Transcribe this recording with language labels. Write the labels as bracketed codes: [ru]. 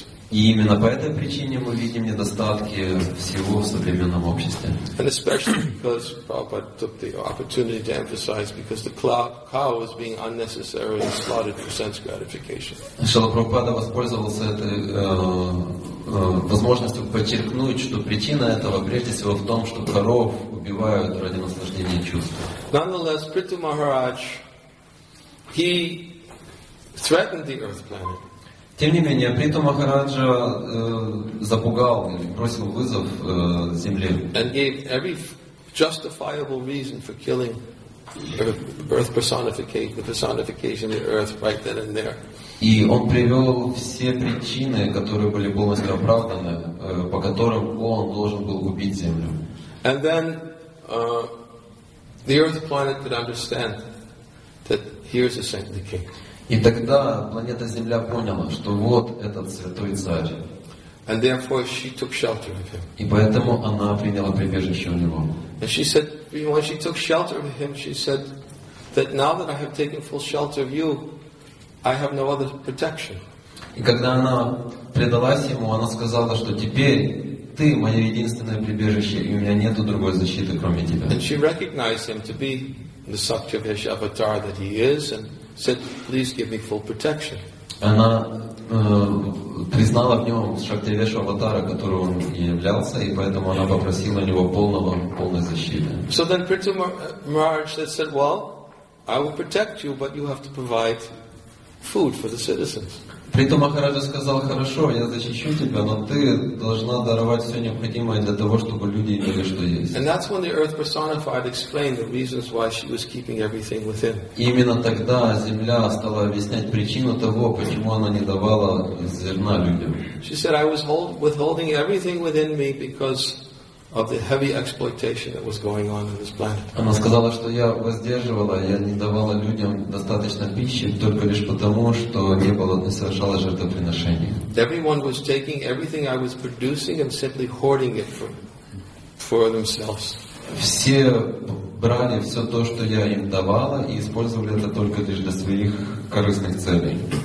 [ru] И именно по этой причине мы видим недостатки всего в современном обществе. [en] And especially because Prabhupada took the opportunity to emphasize because the cow was being unnecessarily slaughtered for sense gratification. [ru] Шрила Прабхупада воспользовался этой возможностью подчеркнуть, что причина этого прежде всего в том, что коров убивают ради наслаждения чувств. [en] Nonetheless, Prithu Maharaj, he threatened the earth planet. [ru] Тем не менее, Приту Махараджа запугал, бросил вызов земле. [en] And gave every justifiable reason for killing earth personification, the personification of the earth right then and there. [ru] И он привел все причины, которые были полностью оправданы, по которым он должен был убить землю. [en] And then the earth planet could understand that here's a saintly king. [ru] И тогда планета Земля поняла, что вот этот святой царь. [en] And therefore she took shelter of him. [ru] И поэтому она приняла прибежище у него. [en] And she said, when she took shelter of him, she said that now that I have taken full shelter of you, I have no other protection. [ru] И когда она предалась ему, она сказала, что теперь ты мое единственное прибежище, и у меня нет другой защиты, кроме тебя. [en] And she recognized him to be the Satyavesh avatar that he is, and said, please give me full protection. [ru] Она признала в нем Шактивеша аватара, которого он и являлся, и поэтому она попросила у него полной защиты. [en] So then Prithu Maharaj said, well, I will protect you, but you have to provide food for the citizens. [ru] Притом Махараджа сказал, хорошо, я защищу тебя, но ты должна даровать все необходимое для того, чтобы люди имели что есть. [en] And that's when the earth personified explained the reasons why she was keeping everything within. [ru] И именно тогда земля стала объяснять причину того, почему она не давала зерна людям. [en] She said, I was withholding everything within me because of the heavy exploitation that was going on in this planet. [ru] Она сказала, что я воздерживала, я не давала людям достаточно пищи только лишь потому, что не было, не совершала жертвоприношений. [en] Everyone was taking everything I was producing and simply hoarding it for themselves. [ru] Все брали все то, что я им давала, и использовали это только лишь для своих корыстных целей.